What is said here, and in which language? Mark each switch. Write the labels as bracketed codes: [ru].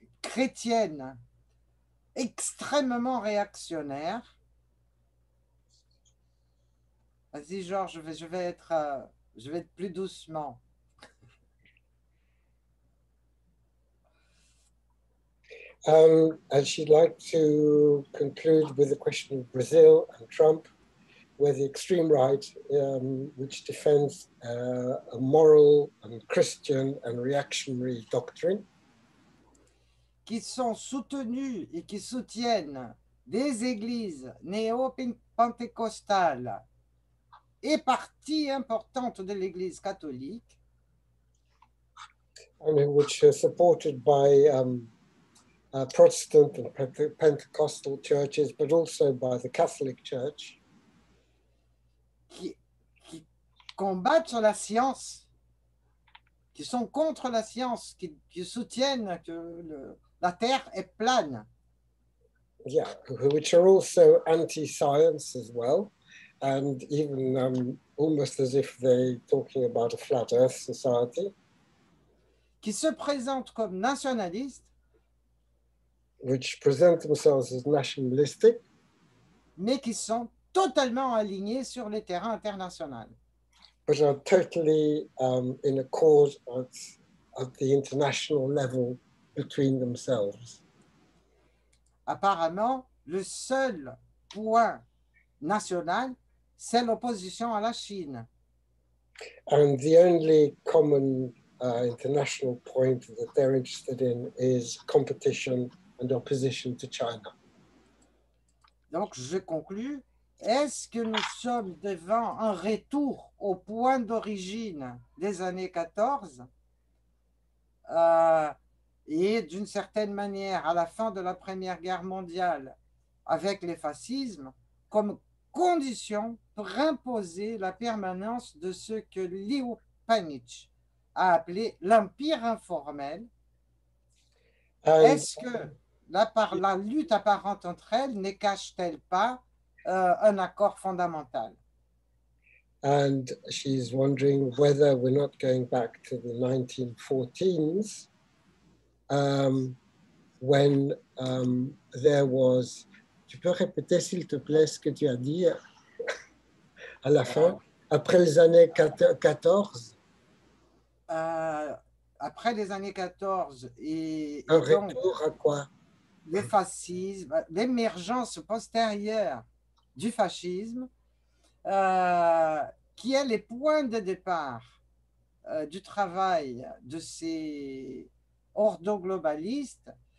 [fr] chrétienne extrêmement réactionnaire. Vas-y, Georges, je vais être plus doucement. [en] And she'd like to conclude with the question of Brazil and Trump, where the extreme right, which defends a moral and Christian and reactionary doctrine, [fr] qui sont soutenus et qui soutiennent des églises néo-pentecostales et parties importantes de l'Église catholique, [en] and which are supported by Protestant and Pentecostal churches, but also by the Catholic Church, [fr] qui combattent sur la science, qui sont contre la science, qui soutiennent que la Terre est plane. [en] Yeah, which are also anti-science as well, and even almost as if they're talking about a flat Earth society. [fr] Qui se présentent comme nationalistes. [en] Which present themselves as nationalistic, [fr] mais qui sont totalement alignés sur les terrains internationaux. [en] But are totally in accord at the international level between themselves. [fr] Apparemment, le seul point national, c'est l'opposition à la Chine. [en] And the only common international point that they're interested in is competition and opposition to China. [fr] Donc, je conclue. Est-ce que nous sommes devant un retour au point d'origine des années 14 et d'une certaine manière à la fin de la Première Guerre mondiale avec les fascismes comme condition pour imposer la permanence de ce que Leo Panitch a appelé l'empire informel? Est-ce que la lutte apparente entre elles ne cache-t-elle pas un accord fondamental? [en] And she's wondering whether we're not going back to the 1914s, when there was... [fr] Tu peux répéter, s'il te plaît, ce que tu as dit à la fin? Après les années 14? Après les années 14 et... Un retour à quoi? Le fascisme, l'émergence postérieure du fascisme, qui est le point de départ du travail de ces ordo-globalistes,